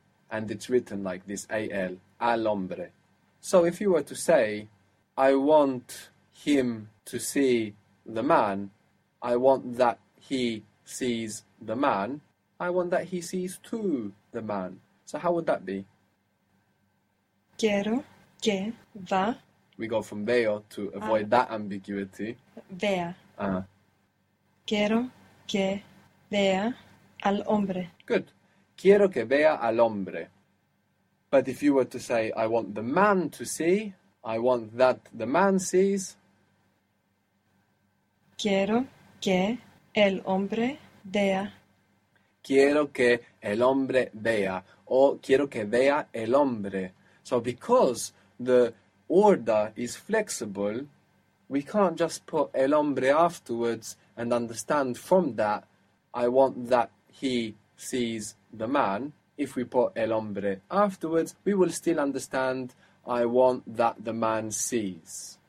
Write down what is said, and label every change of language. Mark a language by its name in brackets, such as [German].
[English] And it's written like this, al, al hombre. So if you were to say, I want him to see the man, I want that he sees the man, I want that he sees to the man. So how would that be? [Spanish] Quiero que va. [English] We go from veo to avoid that ambiguity. [Spanish] Vea. Uh-huh. Quiero que vea al hombre. [English] Good. [Spanish] Quiero que vea al hombre. [English] But if you were to say, I want the man to see, I want that the man sees. [Spanish] Quiero que el hombre vea. Quiero que el hombre vea. Or quiero que vea el hombre. [English] So because the order is flexible, we can't just put el hombre afterwards and understand from that, I want that he sees the man. If we put el hombre afterwards, we will still understand, I want that the man sees.